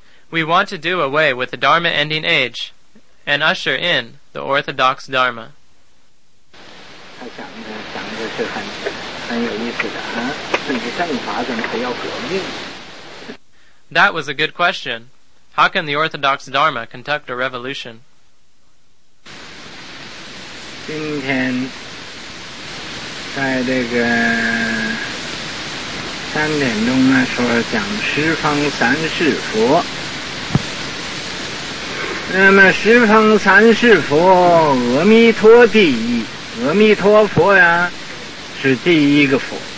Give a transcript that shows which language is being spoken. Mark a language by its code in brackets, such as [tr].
[en] We want to do away with the Dharma ending age and usher in the orthodox Dharma. [zh] 他讲的是很有意思的啊，正法怎么还要革命？ [en] That was a good question. How can the orthodox Dharma conduct a revolution? [zh] 今天在这个三点钟呢，说讲十方三世佛。那么十方三世佛，阿弥陀第一，阿弥陀佛呀，是第一个佛。